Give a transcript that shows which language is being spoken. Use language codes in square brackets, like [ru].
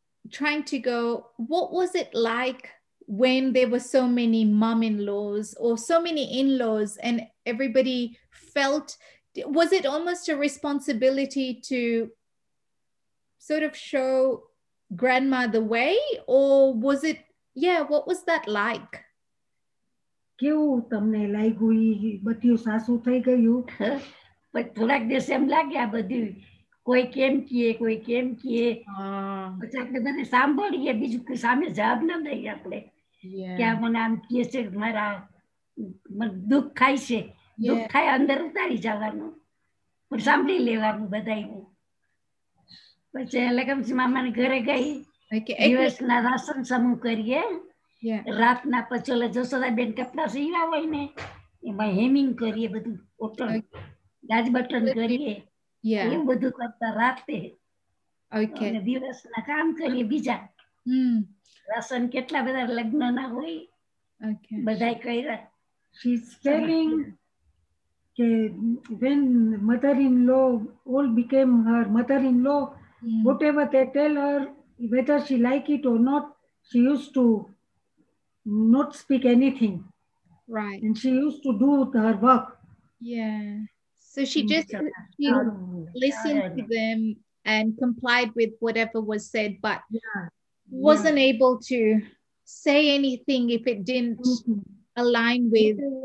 [en] Trying to go, what was it like when there were so many mom-in-laws or so many in-laws and everybody felt, was it almost a responsibility to sort of show grandma the way, or was it, yeah, what was that like? [gu] કેવું તમને લાગ્યું? બધું સાસુ થઈ ગયું પણ થોડાક દિવસ એમ લાગ્યા બધું, કોઈ કેમ કીએ કોઈ કેમ કીએ, પછી આપણે બધા સાંભળીએ, બીજું કોઈ સામે જવાબ ના દઈએ આપણે કે આ મને આમ કીએ છે, મારા દુઃખ ખાય છે, દુઃખ ખાય અંદર ઉતારી જવાનું પણ સાંભળી લેવાનું બધાને. પછી લગમસી મામા ને ઘરે ગઈ, દિવસ ના રાશન સમૂહ કરીએ, રાતના પચોલા જસોદા બેન કપડા સીવા હોય ને એમાં હેમિંગ કરીએ, બધું ઓટણ ગાજ બટન કરીએ, એવું બધું કરતા રાતે દિવસ ના કામ કરીએ. બીજા રાશન કેટલા બધા લગ્ન ના હોય બધા કર્યા. [en] She is telling કે when mother in law all became her mother in law, whatever they tell her, whether she like it or not, she used to not speak anything, right? And she used to do her work. Yeah, so she just listened to them and complied with whatever was said, but wasn't able to say anything if it didn't align with